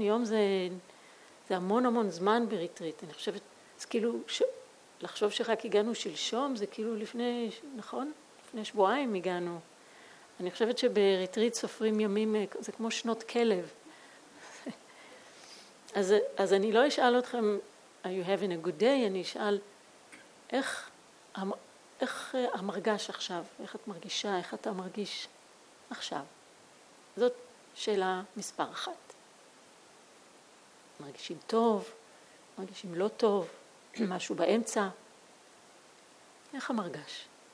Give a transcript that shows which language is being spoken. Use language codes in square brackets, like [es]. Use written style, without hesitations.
[he] יום זה המון המון זמן בריטריט. אני חושבת, זה כאילו, לחשוב שרק הגענו שלשום, זה כאילו לפני, נכון? לפני שבועיים הגענו. אני חושבת שבריטריט סופרים ימים, זה כמו שנות כלב. אז אני לא אשאל אתכם, [en] are you having a good day? [he] אני אשאל, איך המרגש עכשיו? איך את מרגישה? איך אתה מרגיש עכשיו? זאת שאלה מספר אחת. מרגישים טוב? מרגישים לא טוב? משהו באמצע? איך המרגש?